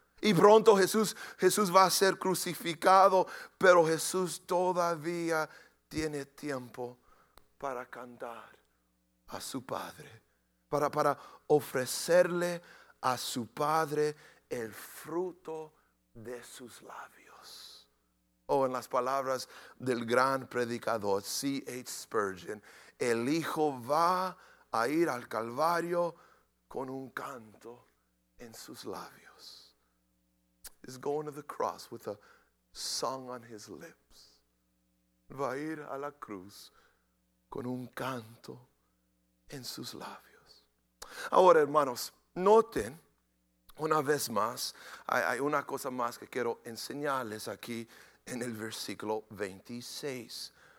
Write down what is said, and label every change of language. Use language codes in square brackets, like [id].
[es] Y pronto Jesús va a ser crucificado, pero Jesús todavía tiene tiempo para cantar a su Padre, para ofrecerle a su Padre el fruto de sus labios. Oh, en las palabras del gran predicador C.H. Spurgeon, el Hijo va a ir al Calvario con un canto en sus labios. [en] Is going to the cross with a song on his lips. [es] Va a ir a la cruz con un canto en sus labios. Ahora, hermanos, noten una vez más, hay una cosa más que quiero enseñarles aquí en el versículo 26.